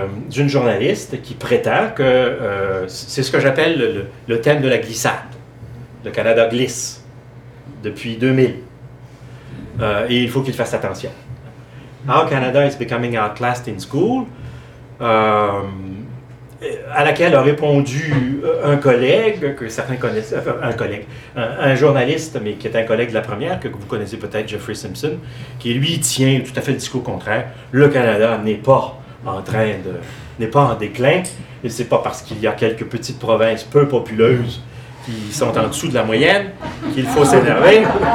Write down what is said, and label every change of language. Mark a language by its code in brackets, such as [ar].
[fr] D'une journaliste qui prétend que c'est ce que j'appelle le thème de la glissade. Le Canada glisse depuis 2000. Et il faut qu'il fasse attention. [en] How Canada is becoming outclassed in school? [fr] À laquelle a répondu un collègue que certains connaissent, enfin, un journaliste, mais qui est un collègue de La Première, que vous connaissez peut-être, Jeffrey Simpson, qui lui tient tout à fait le discours contraire. Le Canada n'est pas en déclin, et c'est pas parce qu'il y a quelques petites provinces peu populeuses qui sont en dessous de la moyenne qu'il faut s'énerver.